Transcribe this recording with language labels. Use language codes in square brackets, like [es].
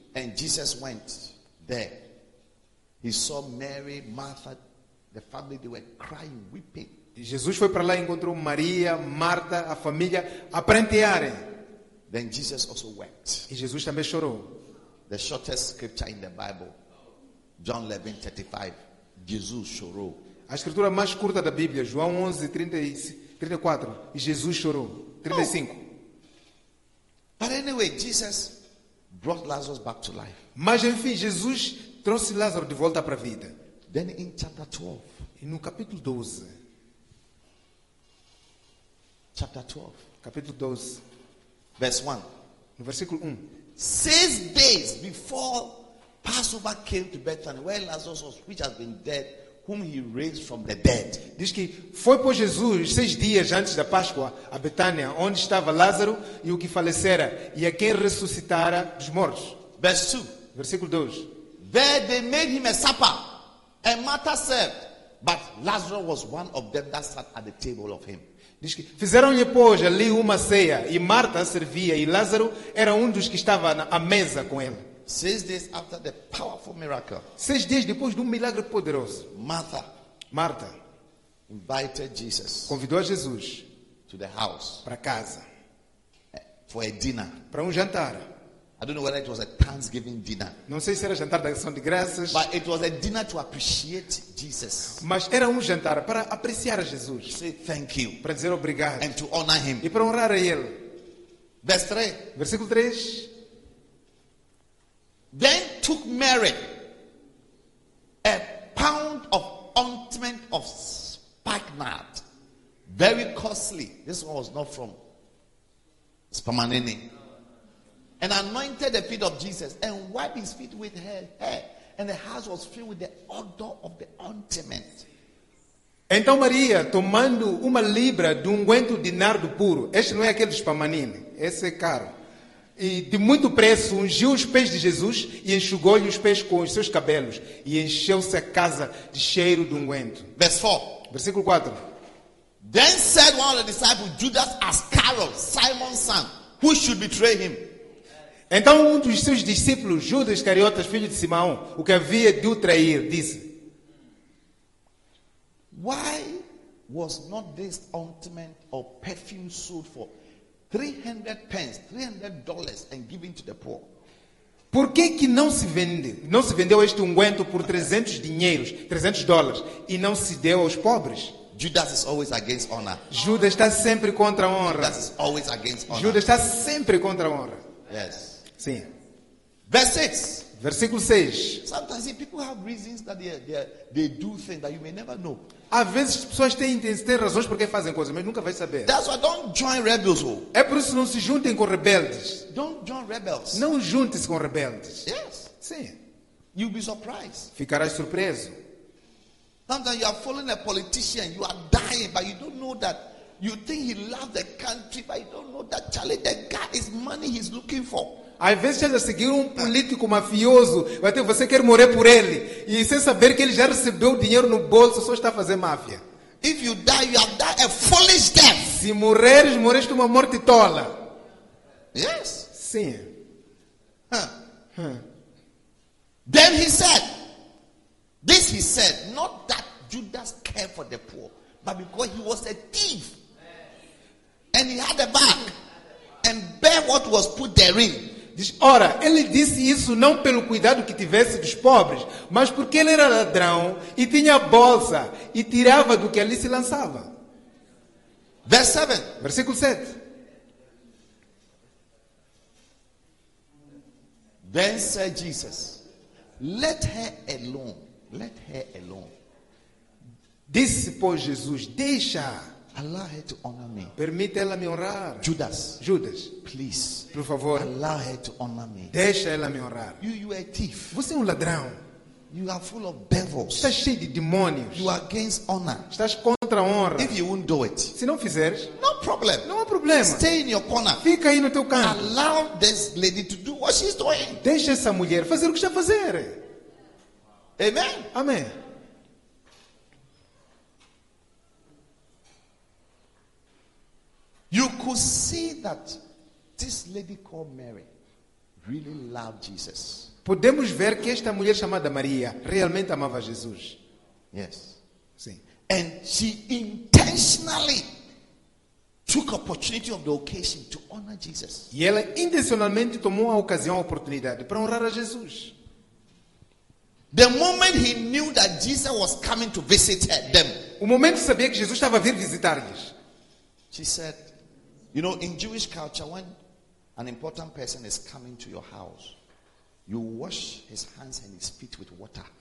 [en] And Jesus went there. He saw Mary, Martha, the family, they were crying, weeping. [pt] Jesus foi para lá e encontrou Maria, Marta, a família a prantear. [en] Then Jesus also wept. [pt] E Jesus também chorou. [en] The shortest scripture in the Bible, John 11:35. [pt] Jesus chorou. A escritura mais curta da Bíblia, João 11:34. E Jesus chorou. 35. Oh. [en] But anyway, Jesus brought Lazarus back to life. [pt] Mas enfim, Jesus trouxe Lázaro de volta para a vida. [en] Then in chapter 12. [pt] E no capítulo 12. [en] Chapter 12. [pt] Capítulo 12. [en] Verse 1. 6 days before Passover came to Bethany, where Lazarus was, which has been dead, whom he raised from the dead. [pt] Diz que foi por Jesus 6 dias antes da Páscoa a Betânia, onde estava Lázaro e o que falecera, e a quem ressuscitara dos mortos. [en] Verse 2. [pt] Versículo 2. [en] There they made him a supper, and Martha served, but Lazarus was one of them that sat at the table of him. [pt] Diz que fizeram-lhe pois ali uma ceia e Marta servia e Lázaro era um dos que estava à mesa com ele. [en] 6 days after the powerful miracle. [pt] 6 dias depois de um milagre poderoso. [en] Marta invited Jesus. [pt] Convidou a Jesus [en] to the house. [pt] Para casa. [en] For a dinner. [pt] Para um jantar. [en] I don't know whether it was a Thanksgiving dinner. [pt] Não sei se era jantar da ação de graças. [en] But it was a dinner to appreciate Jesus. [pt] Mas era um jantar para apreciar Jesus. [en] Say thank you. [pt] Para dizer obrigado. [en] And to honor him. [pt] E para honrar a ele. [en] Verse 3. [pt] Versículo 3. [en] Then took Mary a pound of ointment of spikenard, very costly. This one was not from Spamanini. And anointed the feet of Jesus and wiped his feet with her hair. And the house was filled with the odor of the ointment. [pt] Então Maria, tomando uma libra de unguento de nardo puro, este não é aquele de Spamanini, esse é caro, e de muito preço, ungiu os pés de Jesus e enxugou-lhe os pés com os seus cabelos e encheu-se a casa de cheiro de unguento. [en] Verse 4. [pt] Versículo 4. [en] Then said one of the disciples, Judas Iscariot, Simon's son, who should betray him? [pt] Então um dos seus discípulos, Judas Iscariotas, filho de Simão, o que havia de o trair, disse: [en] Why was not this ointment or perfume sold for 300 pence, $300 and given to the poor? [pt] Por que que não se vendeu este unguento por 300 dinheiros, $300, e não se deu aos pobres? [en] Judas is always against honor. [pt] Judas está sempre contra a honra. [en] Judas is always against honor. [pt] Judas está sempre contra a honra. [en] Yes. [pt] Sim. Versículo 6. [en] Sometimes people have reasons that they do things that you may never know. [pt] Às vezes pessoas têm razões porque fazem coisas, mas nunca vai saber. [en] That's why don't join rebels. [pt] É por isso não se juntem com rebeldes. [en] Don't join rebels. [pt] Não junte-se com rebeldes. [en] Yes. [pt] Sim. [en] You'll be surprised. [pt] Ficarás surpreso. [en] Sometimes you are following a politician, you are dying, but you don't know that. You think he loves the country, but you don't know that Charlie, the guy is money he's looking for. [pt] Às vezes você já seguir um político mafioso, até você quer morrer por ele, e sem saber que ele já recebeu dinheiro no bolso, só está a fazer máfia. [en] If you die, you have died a foolish death. [pt] Se morreres, morreste uma morte tola. [en] Yes. [pt] Sim. [en] Then he said, this he said, not that Judas cared for the poor, but because he was a thief. And he had a bag and bear what was put therein. [pt] Diz, ora, ele disse isso não pelo cuidado que tivesse dos pobres, mas porque ele era ladrão e tinha a bolsa e tirava do que ali se lançava. [en] Verse 7. [pt] Versículo 7. [en] Then said Jesus, let her alone. Let her alone. [pt] Disse, pois, Jesus, deixa. [en] Allow her to honor me. [pt] Permite ela me honrar. [en] Judas. [pt] Judas. [en] Please. [pt] Por favor. [en] Allow her to honor me. [pt] Deixa ela me honrar. [en] You are a thief. [pt] Você é um ladrão. [en] You are full of devils. [pt] Está cheio de demônios. [en] You are against honor. [pt] Estás contra contra a honra. [en] If you won't do it, [pt] se não fizeres, [en] no problem. [pt] Não há problema. [en] Stay in your corner. [pt] Fica aí no teu canto. [en] Allow this lady to do what she's doing. [pt] Deixa essa mulher fazer o que está a fazer. [en] Amen. [pt] Amém. [en] You could see that this lady called Mary really loved Jesus. [pt] Podemos ver que esta mulher chamada Maria realmente amava Jesus. [en] Yes. [pt] Sim. [en] And she intentionally took opportunity of the occasion to honor Jesus. [pt] E ela intencionalmente tomou a ocasião, a oportunidade para honrar a Jesus. [en] The moment he knew that Jesus was coming to visit them. [pt] O momento que sabia que Jesus estava a vir visitar-lhes. [en] She said, you know, in Jewish culture, when an important person is coming to your house, you wash his hands and his feet with water.